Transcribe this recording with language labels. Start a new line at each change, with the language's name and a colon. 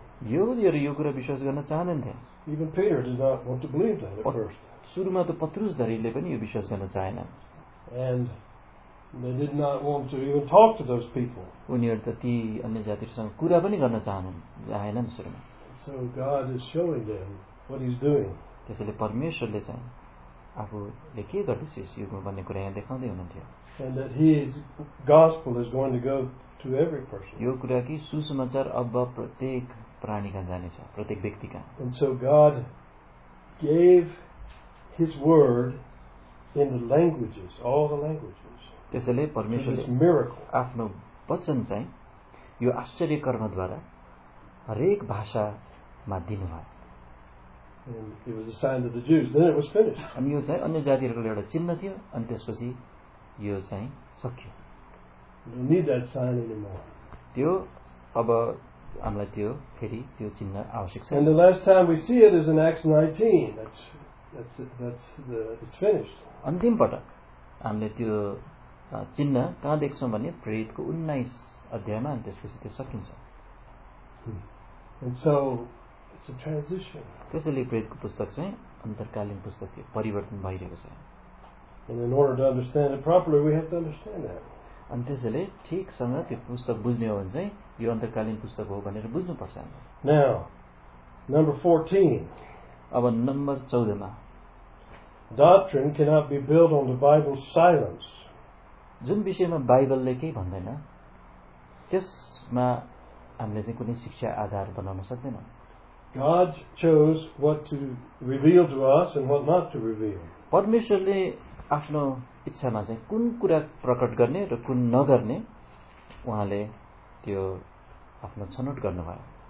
Nepali: यहुदीहरू यो कुरा विश्वास गर्न चाहँदैनथे.
English: Even Peter did not want to believe that at first.
Nepali: सुरुमा त पत्रुस धरिले पनि यो विश्वास गर्न चाहेन.
English: And they did not want to even talk to those people.
Nepali: उनीहरू त ती अन्य जातिहरूसँग कुरा पनि गर्न चाहेनन् सुरुमा.
English: So God is showing them what he's doing.
Nepali: त्यसैले परमेश्वरले चाहिँ आफूले के गर्दैछ यस युगमा भन्ने कुरा यहाँ देखाउँदै हुनुहुन्थ्यो.
English: And that his gospel is going to go to every person.
Nepali: यो कुरा कि सुसमाचार अब प्रत्येक प्राणीका जानेछ, प्रत्येक व्यक्तिका.
English: And so God gave his word in the languages, all the languages.
Nepali: त्यसैले परमेश्वरले आफ्नो वचन चाहिँ यो आश्चर्य कर्मद्वारा हरेक भाषामा दिनुभयो.
English: And it was a sign to the Jews. Then it was finished.
Nepali: अनि यो चाहिँ अन्य जातिहरूको एउटा चिन्ह थियो. अनि त्यसपछि यो चाहिँ सकियो.
English: You need that sign anymore.
Nepali: त्यो अब हामीलाई त्यो फेरि त्यो चिन्ह आवश्यक छ.
English: And the last time we see it is in Acts 19. It's finished.
Nepali: अन्तिम पटक हामीले त्यो चिन्ह कहाँ देख्छौँ भने प्रेरितको 19 अध्यायमा. अनि त्यसपछि त्यो सकिन्छ.
English: And so it's a transition.
Nepali: त्यसैले प्रेरितको पुस्तक चाहिँ अन्तरकालीन पुस्तक थियो, परिवर्तन भइरहेको छ.
English: And in order to understand it properly, we have to understand that.
Nepali: अनि त्यसैले ठिकसँग त्यो पुस्तक बुझ्ने हो भने चाहिँ यो अन्तरकालीन पुस्तक हो भनेर बुझ्नु पर्छ.
English: Now, number 14.
Nepali: अब नम्बर 14 मा
English: doctrine cannot be built on the Bible's silence.
Nepali: जुन विषयमा बाइबलले केही भन्दैन त्यसमा हामीले चाहिँ कुनै शिक्षा आधार बनाउन सक्दैनौँ.
English: God chose what to reveal to us and what not to reveal.
Nepali: परमेश्वरले आफ्नो इच्छामा चाहिँ कुन कुरा प्रकट गर्ने र कुन नगर्ने उहाँले त्यो आफ्नो छनौट गर्नुभयो.